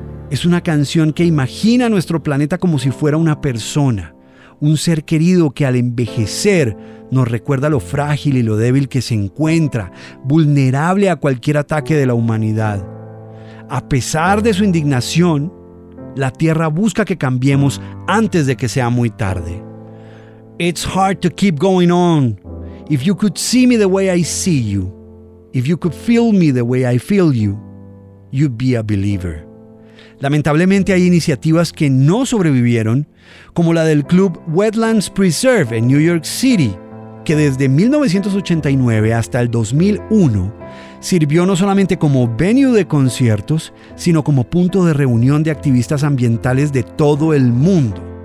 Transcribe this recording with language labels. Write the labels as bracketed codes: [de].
[es] Es una canción que imagina a nuestro planeta como si fuera una persona, un ser querido que al envejecer nos recuerda lo frágil y lo débil que se encuentra, vulnerable a cualquier ataque de la humanidad. A pesar de su indignación, la Tierra busca que cambiemos antes de que sea muy tarde. [en] It's hard to keep going on. If you could see me the way I see you, if you could feel me the way I feel you, you'd be a believer. [es] Lamentablemente hay iniciativas que no sobrevivieron, como la del club Wetlands Preserve en New York City, que desde 1989 hasta el 2001 sirvió no solamente como venue de conciertos, sino como punto de reunión de activistas ambientales de todo el mundo.